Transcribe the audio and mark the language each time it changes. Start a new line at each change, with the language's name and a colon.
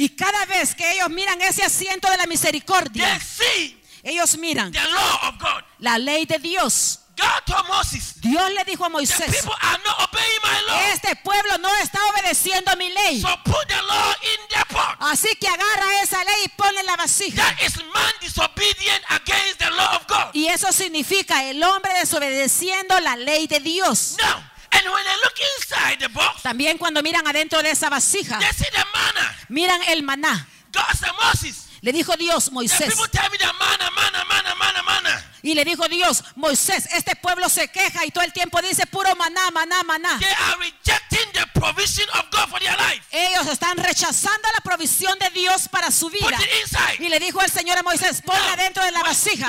Spanish: y cada vez que ellos miran ese asiento de la misericordia,
English: they see,
Spanish: ellos miran
English: the law of God,
Spanish: la ley de Dios,
English: God told Moses,
Spanish: Dios le dijo a Moisés,
English: the people are not obeying my law.
Spanish: Este pueblo no está obedeciendo mi ley.
English: So put the law in their pot.
Spanish: Así que agarra esa ley y ponla en la vasija.
English: That is man disobedient against the law of God.
Spanish: Y eso significa el hombre desobedeciendo la ley de Dios.
English: Now, and when they look inside the box,
Spanish: también cuando miran adentro de esa vasija,
English: they see the manna.
Spanish: Miran el maná.
English: God said, Moses,
Spanish: le dijo Dios, Moisés.
English: The people tell me that manna, manna, manna, manna, manna.
Spanish: Y le dijo Dios, Moisés, este pueblo se queja y todo el tiempo dice puro maná, maná, maná.
English: They are rejecting the provision of God for their life.
Spanish: Ellos están rechazando la provisión de Dios para su vida.
English: Put it inside.
Spanish: Y le dijo el Señor a Moisés, ponla dentro de la vasija.